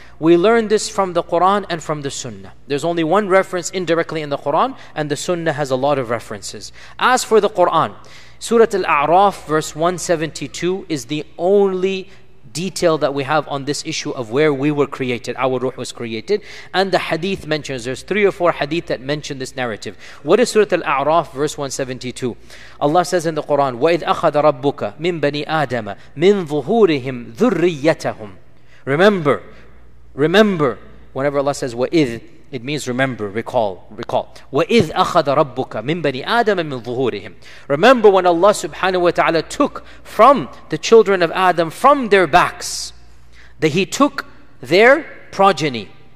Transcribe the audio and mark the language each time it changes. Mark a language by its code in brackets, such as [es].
[en] We learn this from the Quran and from the Sunnah. There's only one reference indirectly in the Quran, and the Sunnah has a lot of references. As for the Quran, Surah Al-A'raf verse 172 is the only detail that we have on this issue of where we were created, our ruh was created. And the hadith mentions, there's three or four hadith that mention this narrative. What is Surah Al-A'raf verse 172? Allah says in the Quran, [ar] وَإِذْ أَخَذَ رَبُّكَ مِنْ بَنِي آدَمَ مِنْ ظُهُورِهِمْ ذُرِّيَّتَهُمْ. [en] Remember, remember, whenever Allah says wa'idh, it means remember, recall, recall. [ar] Wa'idh akhadha rabbuka min bani adam min dhuhurihim. [en] Remember when Allah subhanahu wa ta'ala took from the children of Adam, from their backs, that He took their progeny.